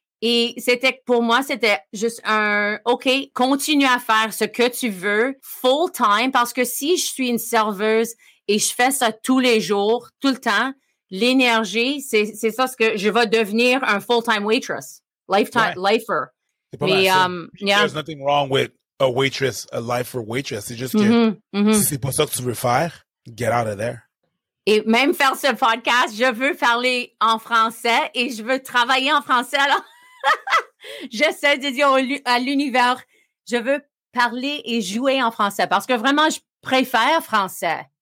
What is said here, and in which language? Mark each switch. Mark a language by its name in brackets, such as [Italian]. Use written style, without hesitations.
[French] Et c'était, pour moi, c'était juste un, OK, continue à faire ce que tu veux full time, parce que si je suis une serveuse et je fais ça tous les jours, tout le temps, l'énergie, c'est ça ce que je vais devenir, un [English] full time waitress, lifetime, [French] ouais. [English] Lifer. Mais, there's nothing wrong with a waitress, a lifer waitress. [French] C'est juste que si c'est pas ça que tu veux faire, [English] get out of there. [French] Et même faire ce podcast, je veux parler en français et je veux travailler en français. Alors, j'essaie de dire à l'univers, je veux parler et jouer en français parce que vraiment, je préfère français.